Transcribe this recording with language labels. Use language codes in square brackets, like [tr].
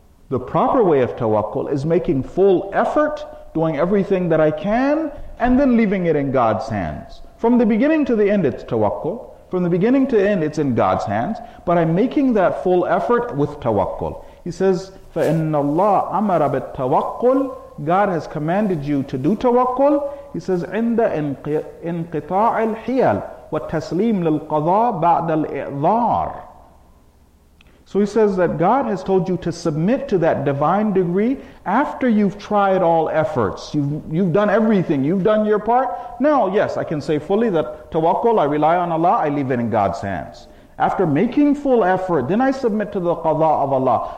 [en] The proper way of tawakkul is making full effort, doing everything that I can, and then leaving it in God's hands. From the beginning to the end, it's tawakkul. From the beginning to end, it's in God's hands. But I'm making that full effort with tawakkul. He says, [ar] فَإِنَّ اللَّهَ أَمَرَ بِالتَّوَكُّلِ. [en] God has commanded you to do tawakkul. He says, [ar] عِنْدَ إِنْقِطَاعِ الْحِيَلِ وَالتَّسْلِيمِ لِلْقَضَىٰ بَعْدَ الْإِعْذَارِ. [en] So he says that God has told you to submit to that divine degree after you've tried all efforts. You've done everything. You've done your part. Now, yes, I can say fully that tawakkul, I rely on Allah, I leave it in God's hands. After making full effort, then I submit to the qadha of Allah.